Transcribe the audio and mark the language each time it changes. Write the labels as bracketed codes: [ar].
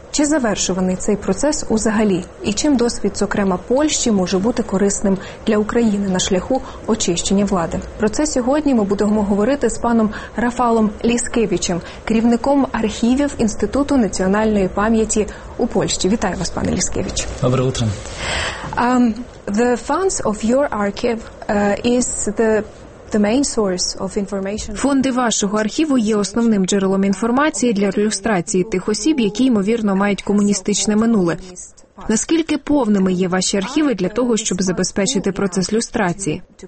[uk] Чи завершуваний цей процес узагалі? І чим досвід, зокрема, Польщі може бути корисним для України на шляху очищення влади? Про це сьогодні ми будемо говорити з паном Рафалом Ліскевичем, керівником архівів Інституту національної пам'яті у Польщі. Вітаю вас, пане Ліскевич. Добре утро. [en] The funds of your archive is the main source of information. [uk] Фонди вашого архіву є основним джерелом інформації для люстрації тих осіб, які, ймовірно, мають комуністичне минуле. Наскільки повними є ваші архіви для того, щоб забезпечити процес люстрації?